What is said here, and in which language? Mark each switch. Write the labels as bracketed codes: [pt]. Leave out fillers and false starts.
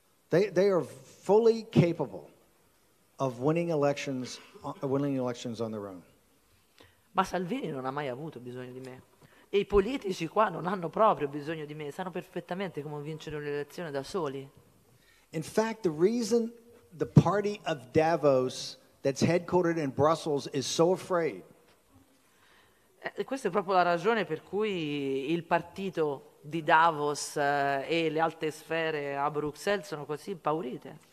[en] They are fully capable of winning elections on their own. [it] Ma Salvini non ha mai avuto bisogno di me. E i politici qua non hanno proprio bisogno di me. Sanno perfettamente come vincere un'elezione da soli. [en] In fact, the reason the party of Davos that's headquartered in Brussels is so afraid. [it] Questa è proprio la ragione per cui il partito di Davos e le alte sfere a Bruxelles sono così impaurite.